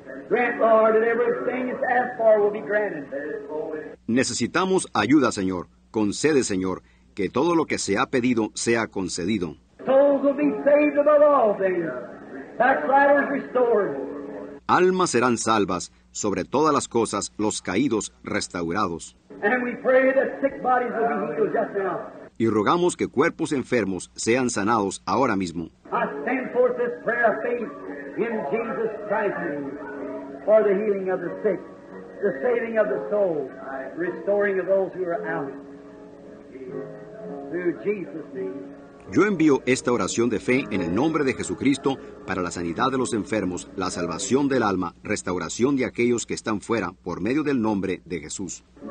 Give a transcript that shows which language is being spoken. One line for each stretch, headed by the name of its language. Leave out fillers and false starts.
English: Grant, Lord, that everything it's asked for will be granted.
Spanish: Necesitamos ayuda, Señor. Concede, Señor, que todo lo que se ha pedido sea concedido.
English: Souls will be saved above all things. Backsliders restored.
Spanish: Almas serán salvas, sobre todas las cosas, los caídos restaurados.
English: And we pray that sick bodies will be healed just now.
Spanish: Y rogamos que cuerpos enfermos sean sanados ahora mismo.
English: I stand forth this prayer of faith in Jesus Christ's name for the healing of the sick, the saving of the soul, restoring of those who are out. Through Jesus' name.
Spanish: Yo envío esta oración de fe en el nombre de Jesucristo para la sanidad de los enfermos, la salvación del alma, restauración de aquellos que están fuera por medio del nombre de Jesús.